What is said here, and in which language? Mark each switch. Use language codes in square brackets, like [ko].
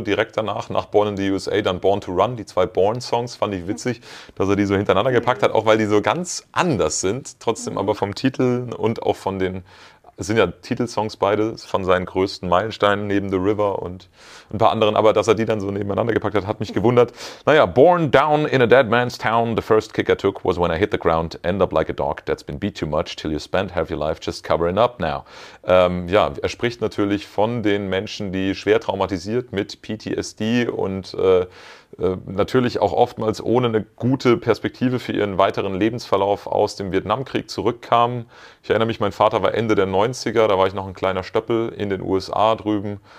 [de] Direkt danach, nach Born in the USA, dann Born to Run. Die zwei Born-Songs fand ich witzig, dass er die so hintereinander gepackt hat. Auch weil die so ganz anders sind. Trotzdem aber vom Titel und auch von den, es sind ja Titelsongs beide, von seinen größten Meilensteinen neben The River und ein paar anderen. Aber dass er die dann so nebeneinander gepackt hat, hat mich gewundert. [en] Naja, born down in a dead man's town, the first kick I took was when I hit the ground, end up like a dog that's been beat too much till you spend half your life just covering up now. [de] Er spricht natürlich von den Menschen, die schwer traumatisiert mit PTSD und natürlich auch oftmals ohne eine gute Perspektive für ihren weiteren Lebensverlauf aus dem Vietnamkrieg zurückkamen. Ich erinnere mich, mein Vater war Ende der 90er, da war ich noch ein kleiner Stöppel in den USA drüben.